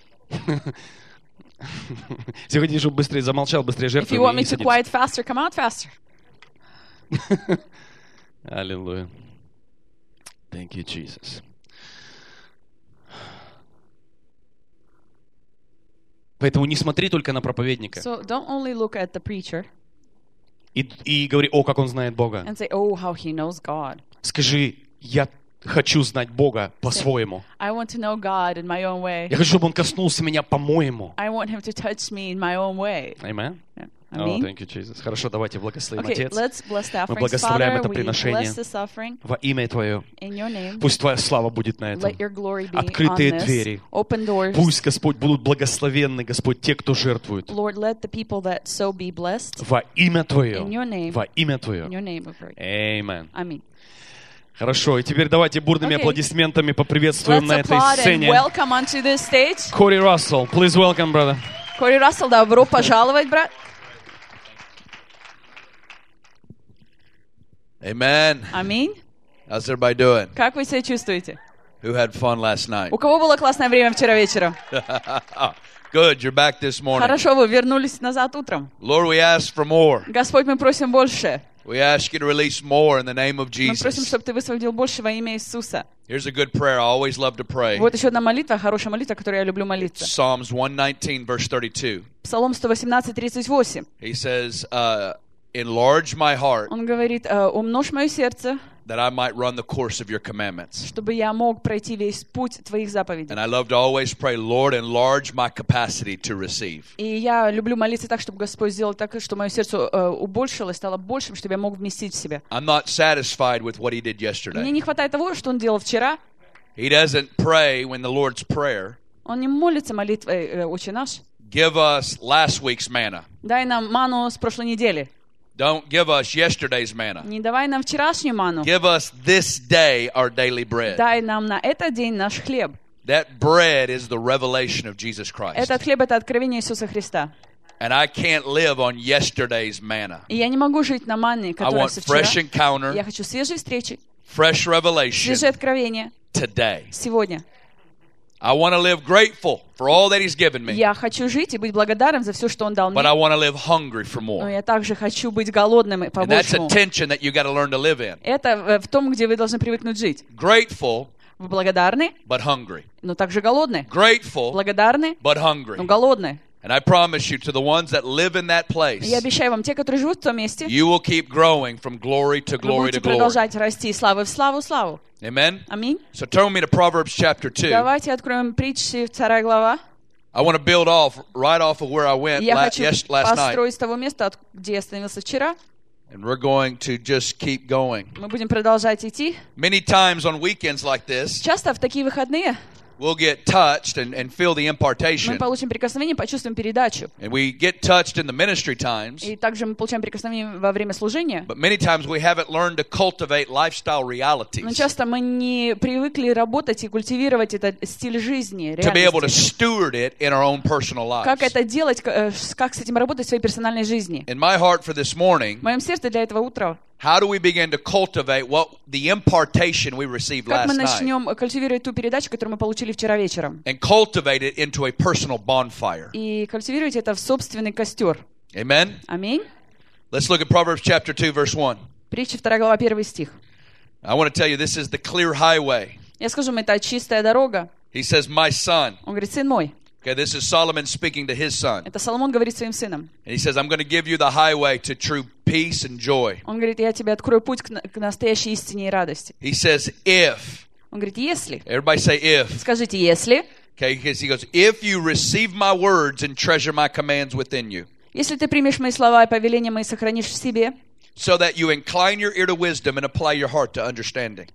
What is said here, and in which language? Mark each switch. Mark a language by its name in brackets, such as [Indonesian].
[Russian] Если хотите, чтобы быстрее замолчал, быстрее жертвы. [English] If you want me to quiet faster, come out faster. Аллилуйя. Thank you, Jesus. [Russian] Поэтому не смотри только на проповедника. [English] So don't only look at the preacher. [Russian] И говори, о, как он знает Бога. [English] And say, oh, how he knows God. [Russian] Скажи, я хочу знать Бога по-своему. [English] I want to know God in my own way. [Russian] Я хочу, чтобы Он коснулся меня по-моему. [English] I want him to touch me in my own way. Amen. Amen. Oh, thank you, Jesus. [Russian] Хорошо, давайте благословим, [English] okay, [Russian] Отец. [English] Let's bless the [Russian] мы благословляем [English] Father, [Russian] это приношение во имя Твое. [English] In your name. [Russian] Пусть Твоя слава будет на этом. [English] Let your glory be [Russian] открытые [English] on this. [Russian] Двери. [English] Open doors. [Russian] Пусть, Господь, будут благословенны, Господь, те, кто жертвует. [English] Lord, let the people that so be blessed. [Russian] Во имя Твое. [English] In your name. [Russian] Во имя Твое. [English] In your name, we pray. Amen. Amen. [Russian] Хорошо, и теперь давайте бурными okay. аплодисментами поприветствуем [English] Let's [Russian] на этой сцене. [English] Welcome onto this stage. Кори Рассел, please welcome, brother. [Russian] Кори Рассел, добро пожаловать, брат. [English] Amen. Amen. How's everybody doing? [Russian] Как вы себя чувствуете? [English] Who had fun last night? [Russian] У кого было классное время вчера вечером? [English] Good, you're back this morning. [Russian] Хорошо, вы вернулись назад утром. [English] Lord, we ask for more. [Russian] Господь, мы просим больше. [English] We ask you to release more in the name of Jesus. [Russian] Мы просим, чтобы ты высвободил больше во имя Иисуса. [English] Here's a good prayer. I always love to pray. [Russian] Вот еще одна молитва, хорошая молитва, которую я люблю молиться. [English] It's Psalms 119, verse 32. [Russian] Псалом 118:38. [English] He says, "Enlarge my heart." [Russian] Он говорит, умножь мое сердце. [English] That I might run the course of your commandments. [Russian] Чтобы я мог пройти весь путь твоих заповедей. [English] And I love to always pray, Lord, enlarge my capacity to receive. [Russian] И я люблю молиться так, чтобы Господь сделал так, чтобы мое сердце уменьшилось, стало большим, чтобы я мог вместить в себя. [English] I'm not satisfied with what he did yesterday. [Russian] Мне не хватает того, что он делал вчера. [English] He doesn't pray when the Lord's prayer. [Russian] Он не молится молитвой Отче наш. [English] Give us last week's manna. [Russian] Дай нам ману с прошлой недели. [English] Don't give us yesterday's manna. [Russian] Не давай нам вчерашнюю ману. [English] Give us this day our daily bread. [Russian] Дай нам на этот день наш хлеб. [English] That bread is the revelation of Jesus Christ. [Russian] Этот хлеб это откровение Иисуса Христа. [English] And I can't live on yesterday's manna. [Russian] И я не могу жить на манне, которая со вчера. [English] I want fresh encounter. [Russian] Я хочу свежей встречи. [English] Fresh revelation. [Russian] Свежее откровение. [English] Today. [Russian] Сегодня. [English] I want to live grateful for all that He's given me. [Russian] Я хочу жить и быть благодарным за все, что Он дал мне. [English] But I want to live hungry for more. [Russian] Но я также хочу быть голодным и по большему. [English] And that's a tension that you got to learn to live in. [Russian] Это в том, где вы должны привыкнуть жить. [English] Grateful. [Russian] Вы благодарны. [English] But hungry. [Russian] Но также голодны. [English] Grateful. [Russian] Благодарны. [English] But hungry. [Russian] Но голодны. [English] And I promise you, to the ones that live in that place, [Russian] я обещаю вам, те, которые живут в том месте, [English] you will keep growing from glory to glory to glory. [Russian] Вы будете продолжать расти славы в славу, славу. [English] Amen. [Russian] Аминь. [English] So turn with me to Proverbs chapter 2. [Russian] Давайте откроем притчи, вторая глава. [English] I want to build off right off of where I went [Russian] я хочу [English] last night. [Russian] Построить с того места, где я остановился вчера. [English] And we're going to just keep going. [Russian] Мы будем продолжать идти. [English] Many times on weekends like this. [Russian] Часто в такие выходные. [English] We'll get touched and feel the impartation. [Russian] Мы получим прикосновение, почувствуем передачу. [English] And we get touched in the ministry times. [Russian] И также мы получаем прикосновение во время служения. [English] But many times we haven't learned to cultivate lifestyle realities. [Russian] Но часто мы не привыкли работать и культивировать этот стиль жизни. [English] To be able to steward it in our own personal lives. [Russian] Как это делать, как с этим работать в своей персональной жизни? [English] In my heart for this morning. [Russian] В моем сердце для этого утра. [English] How do we begin to cultivate what the impartation we received last night? [Russian] Как мы начнем культивировать ту передачу, которую мы получили вчера вечером? [English] And cultivate it into a personal bonfire. [Russian] И культивировать это в собственный костер. [English] Amen. [Russian] Аминь. [English] Let's look at Proverbs chapter 2, verse 1. [Russian] Притча 2 глава 1 стих. [English] I want to tell you this is the clear highway. [Russian] Я скажу, это чистая дорога. [English] He says, "My son." [Russian] Он говорит, сын мой. [English] Okay, this is Solomon speaking to his son. [Russian] Это Соломон говорит своим сынам. [English] And he says, "I'm going to give you the highway to true peace and joy." [Russian] Он говорит, я тебе открою путь к настоящей истине и радости. [English] He says, "If." [Russian] Он говорит, если. [English] Everybody say if. [Russian] Скажите если. [English] Okay, because he goes, "If you receive my words and treasure my commands within you." [Russian] Если ты примешь мои слова и повеления мои сохранишь в себе. [English] So that you incline your ear to wisdom and apply your heart to understanding.